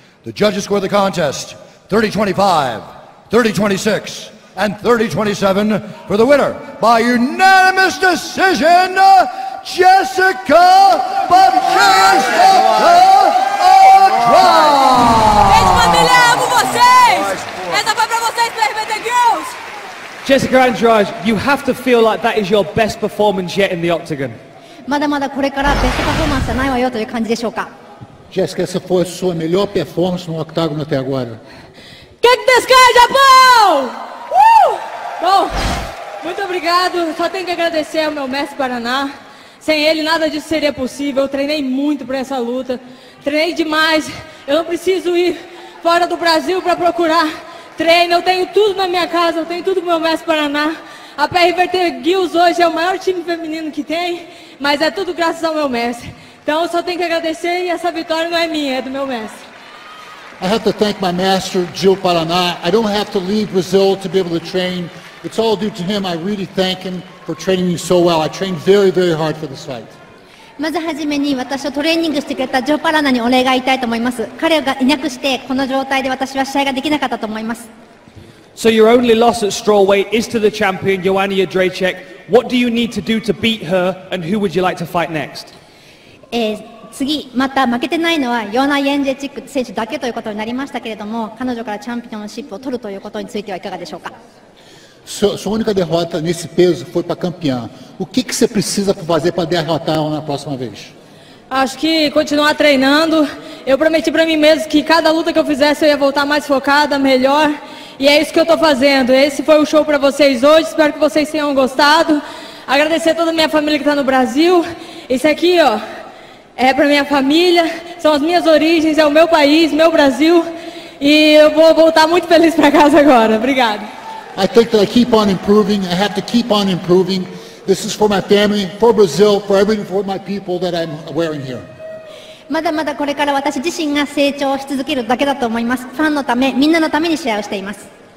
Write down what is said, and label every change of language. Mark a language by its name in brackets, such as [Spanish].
[English] The judges score the contest 30-25, 30-26, and 30-27 for the winner by unanimous decision, Jessica Batista Andrade! [Portuguese] Esse bandeira é pra vocês! Essa foi pra vocês, Playboy the Girls! [English] Jessica Andrade, you have to feel like that is your best performance yet in the octagon. [Japanese] まだまだこれからベストパフォーマンスはないわよという感じでしょうか? [Portuguese] Jessica, essa foi a sua melhor performance no octágono até agora. Que [English] this guy, [Portuguese] Japão! Woo! Bom, muito obrigado. Só tenho que agradecer ao meu mestre Paraná. Sem ele nada disso seria possível, eu treinei muito para essa luta, treinei demais, eu não preciso ir fora do Brasil para procurar treino, eu tenho tudo na minha casa, eu tenho tudo no meu mestre Paraná. A PRV Guilds hoje é o maior time feminino que tem, mas é tudo graças ao meu mestre. Então eu só tenho que agradecer, e essa vitória não é minha, é do meu mestre. [English] I have to thank my master, Gil Paraná. I don't have to leave Brazil to be able to train. It's all due to him. I really thank him for training me so well. I trained very, very hard for this fight. [Japanese] まずはじめに私をトレーニングしてくれたジョー・パラナにお礼が言いたいと思います。彼がいなくしてこの状態で私は試合ができなかったと思います。 [English] So your only loss at strawweight is to the champion, Joanna Jędrzejczyk. What do you need to do to beat her, and who would you like to fight next? [Japanese] 次また負けてないのはヨナ・ヤンジェチック選手だけということになりましたけれども、彼女からチャンピオンシップを取るということについてはいかがでしょうか。 [Portuguese] Sua única derrota nesse peso foi para campeã. O que você precisa fazer para derrotar ela na próxima vez? Acho que continuar treinando. Eu prometi para mim mesmo que cada luta que eu fizesse eu ia voltar mais focada, melhor. E é isso que eu estou fazendo. Esse foi o show para vocês hoje. Espero que vocês tenham gostado. agradecer a toda a minha família que está no Brasil. Esse aqui, ó, é para minha família, são as minhas origens, é o meu país, meu Brasil. E eu vou voltar muito feliz para casa agora. Obrigado. [English] I think that I keep on improving. I have to keep on improving. This is for my family, for Brazil, for everyone, for my people that I'm wearing here. [Japanese] まだまだこれから私自身が成長し続けるだけだと思います。ファンのため、みんなのために試合をしています。